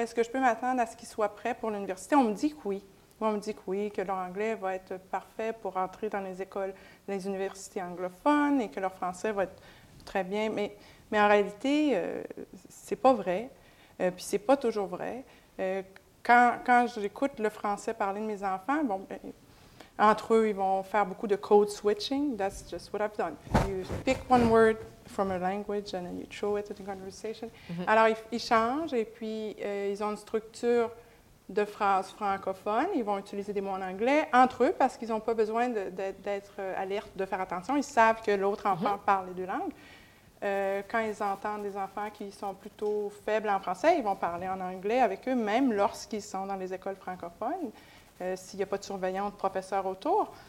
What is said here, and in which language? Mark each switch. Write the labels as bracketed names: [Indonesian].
[French] Est-ce que je peux m'attendre à ce qu'ils soient prêts pour l'université? On me dit que oui. Moi, on me dit que oui, que leur anglais va être parfait pour entrer dans les écoles, les universités anglophones et que leur français va être très bien. Mais en réalité, c'est pas vrai. Puis c'est pas toujours vrai. Quand j'écoute le français parler de mes enfants, bon, entre eux, ils vont faire beaucoup de code switching. [English] That's just what I've done. You pick one word from a language and then you throw it in a conversation. Mm-hmm. [French] Alors, ils changent et puis ils ont une structure de phrases francophones. Ils vont utiliser des mots en anglais entre eux parce qu'ils n'ont pas besoin d'être alertes, de faire attention. Ils savent que l'autre enfant parle les deux langues. Quand ils entendent des enfants qui sont plutôt faibles en français, ils vont parler en anglais avec eux, même lorsqu'ils sont dans les écoles francophones, s'il n'y a pas de surveillant ou de professeur autour.